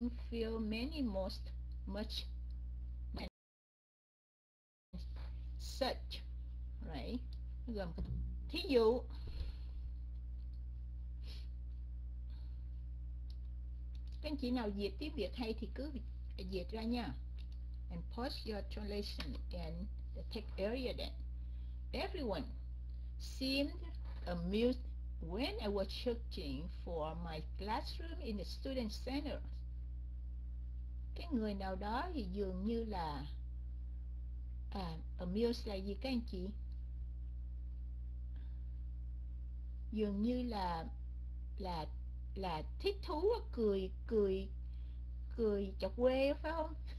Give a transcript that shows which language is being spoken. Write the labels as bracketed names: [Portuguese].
[English] Feel many, most, much, many, such, right? [Vietnamese] Thí dụ, các anh chị nào dịch tiếng Việt hay thì cứ dịch ra nha. [English] And post your translation in the text area then. Everyone seemed amused when I was searching for my classroom in the student center. [Vietnamese] Cái người nào đó thì dường như là amused là gì các anh chị? Dường như là thích thú, cười cười cười chọc quê phải không?